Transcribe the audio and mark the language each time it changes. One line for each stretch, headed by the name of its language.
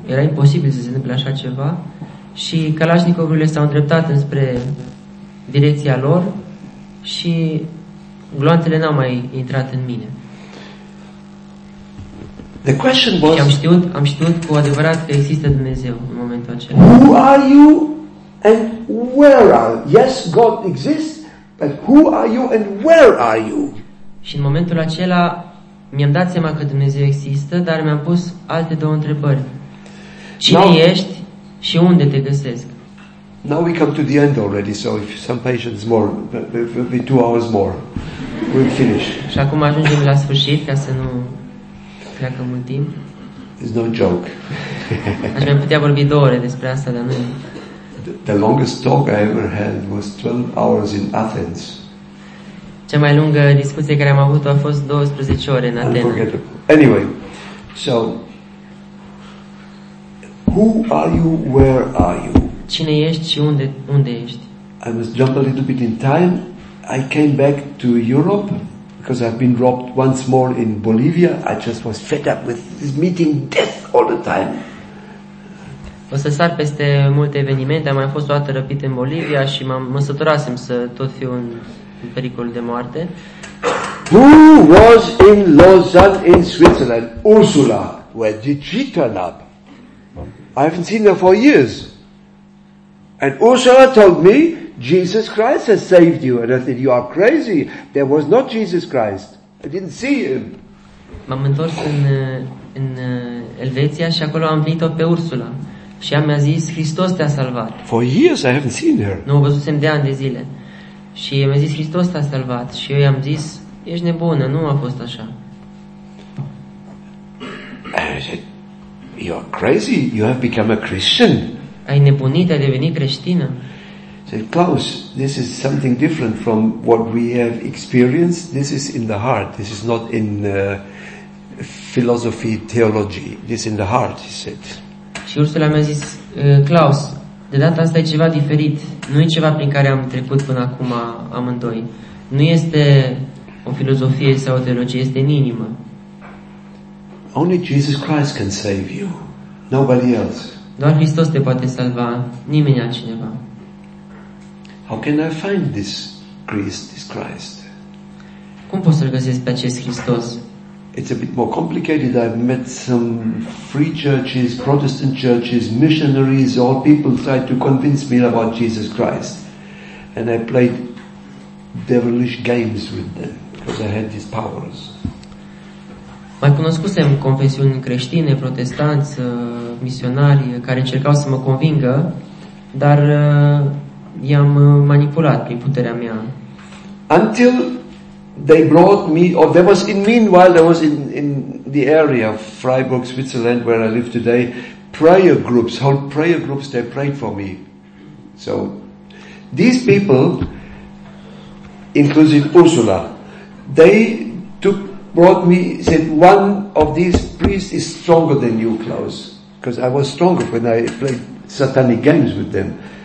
Romanian: Era imposibil să se întâmple așa ceva. Și Kalashnikovurile s-au îndreptat înspre direcția lor și gloanțele n-au mai intrat în mine.
English: The question was,
Romanian: și am știut cu adevărat că există Dumnezeu în momentul acela.
English: Who are you and where are you? Yes, God exists, but who are you and where are you?
Romanian: Și în momentul acela mi-am dat seama că Dumnezeu există, dar mi-am pus alte două întrebări. Cine
English: now,
Romanian: ești? Și unde te găsesc?
English: Now we come to the end already, so if some patience more, maybe 2 hours more, we'll finish.
Romanian: Și acum ajungem la sfârșit, ca să nu treacă mult timp.
English: It's no joke.
Romanian: Aș mai putea vorbi 2 ore despre asta, dar nu.
English: The longest talk I ever had was 12 hours in Athens.
Romanian: Cea mai lungă discuție care am avut-o a fost 12 ore în Atena.
English: Anyway, so... Who are you? Where are you?
Romanian: Cine ești și unde ești?
English: I must jump a little bit in time. I came back to Europe because I've been robbed once more in Bolivia. I just was fed up with this meeting death all the time.
Romanian: O să sar peste multe evenimente. Am mai fost o dată răpit în Bolivia și mă săturasem să tot fiu în pericol de moarte.
English: Who was in Lausanne in Switzerland? Ursula. Where did she turn up? I haven't seen her for years. And Ursula told me, Jesus Christ has saved you. And I said, you are crazy. There was not Jesus Christ. I didn't see him.
Romanian: M-am întors în Elveția și acolo am venit-o pe Ursula. Și ea mi-a zis, Hristos te-a salvat.
English: For years I haven't seen her.
Romanian: Nu o văzusem de ani de zile. Și mi-a zis, Hristos te-a salvat. Și eu i-am zis, ești nebună, nu a fost așa.
English: You are crazy. You have become a Christian.
Romanian: Ai nebunit, ai devenit creștină.
English: Said, Klaus, this is something different from what we have experienced. This is in the heart. This is not in philosophy, theology. This is in the heart, he said.
Romanian: Și Ursula mi-a zis, Klaus, de data asta e ceva diferit. Nu e ceva prin care am trecut până acum amândoi. Nu este o filozofie sau o teologie, este în inimă.
English: Only Jesus Christ can save you. Nobody else.
Romanian: Doar Hristos te poate salva, nimeni altcineva.
English: How can I find this Christ, this Christ?
Romanian: Cum pot să-l găsesc pe acest Hristos?
English: It's a bit more complicated. I've met some free churches, Protestant churches, missionaries, all people tried to convince me about Jesus Christ. And I played devilish games with them because I had these powers.
Romanian: Mai cunoscusem confesiuni creștine, protestanți, misionari care încercau să mă convingă, dar i-am manipulat prin puterea mea.
English: Until they brought me, or there was in meanwhile there was in the area of Freiburg, Switzerland, where I live today, prayer groups, whole prayer groups, they prayed for me. So these people, including Ursula, they brought me, said, one of these priests is stronger than you, Klaus, because I was stronger when I played satanic games with them.